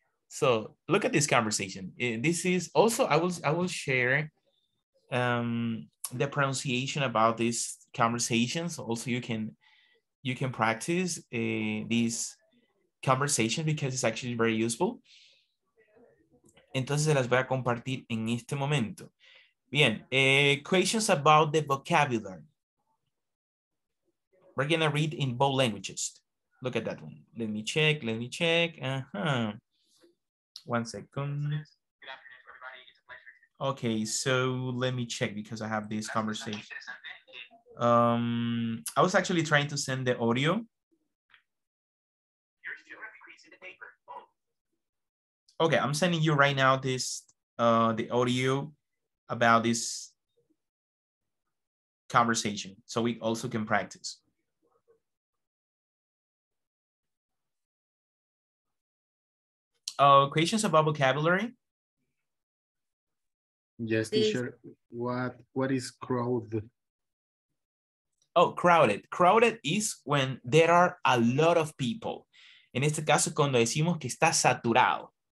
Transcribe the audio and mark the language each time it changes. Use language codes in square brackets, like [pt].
[en] So look at this conversation. This is also, I will share the pronunciation about this conversation. So also you can practice this conversation because it's actually very useful. [es] Entonces se las voy a compartir en este momento. Bien, [en] questions about the vocabulary. We're gonna read in both languages. Look at that one. Let me check. Uh-huh. One second. Good afternoon, everybody. It's a pleasure. Okay, so let me check because I have this conversation. I was actually trying to send the audio. Okay, I'm sending you right now this the audio about this conversation so we also can practice. Questions about vocabulary? Yes, teacher. What is crowded? Oh, crowded. Crowded is when there are a lot of people. [es] En este caso, cuando decimos que está saturado.